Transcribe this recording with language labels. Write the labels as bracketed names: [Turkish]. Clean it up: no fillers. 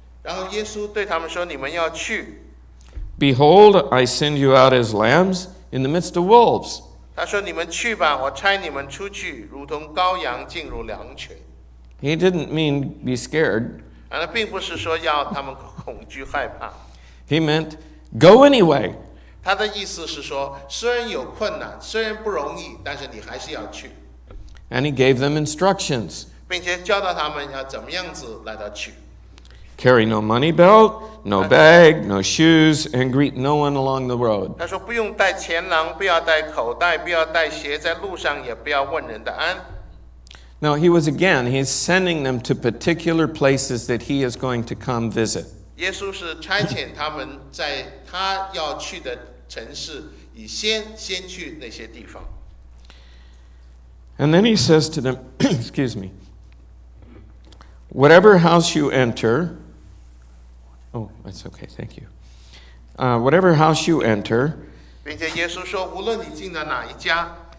[Chinese] 然后耶稣对他们说，你们要去。 [English] Behold, I send you out as lambs in the midst of wolves. [Chinese] 他说，你们去吧，我差你们出去，如同羔羊进入羊群。 [English] He didn't mean be scared. [Chinese] 并不是说要他们恐惧害怕。 [English] He meant, go anyway. [Chinese] 他的意思是说，虽然有困难，虽然不容易，但是你还是要去。 [English] And he gave them instructions. [Chinese] 并且教导他们要怎么样子来到去。 [English] Carry no money belt, no bag, no shoes, and greet no one along the road. [Chinese] 他说不用带钱囊，不要带口袋，不要带鞋，在路上也不要问人的安。 [English] Now he was again, he's sending them to particular places that he is going to come visit. [Chinese] 耶稣是差遣他们在他要去的城市，以先去那些地方。 [English] And then he says to them, excuse me, whatever house you enter, oh, that's okay, thank you. Whatever house you enter, [Chinese] 并且耶稣说，无论你进了哪一家,